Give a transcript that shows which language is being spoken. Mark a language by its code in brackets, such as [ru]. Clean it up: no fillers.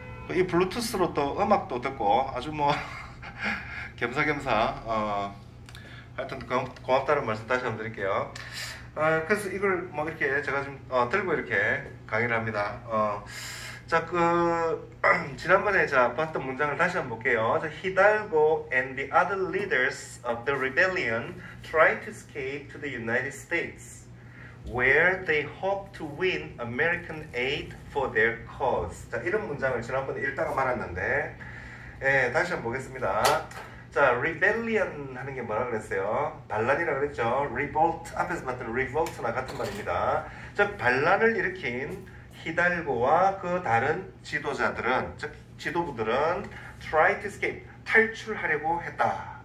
[ko] 이 블루투스로 또 음악도 듣고 아주 뭐, 겸사겸사, 하여튼 고맙다는 말씀 다시 한번 드릴게요. 그래서 이걸 뭐 이렇게 제가 지금 들고 이렇게 강의를 합니다. 자, 지난번에 제가 봤던 문장을 다시 한번 볼게요. [en] 자, Hidalgo and the other leaders of the rebellion tried to escape to the United States, where they hoped to win American aid for their cause. [ko] 자, 이런 문장을 지난번에 읽다가 말았는데, 예, 다시 한번 보겠습니다. 자, rebellion 하는 게 뭐라 그랬어요? 반란이라고 그랬죠? revolt, 앞에서 봤던 revolt나 같은 말입니다. 즉, 반란을 일으킨 히달고와 그 다른 지도자들은, 즉, 지도부들은 [en] try to escape, [ko] 탈출하려고 했다.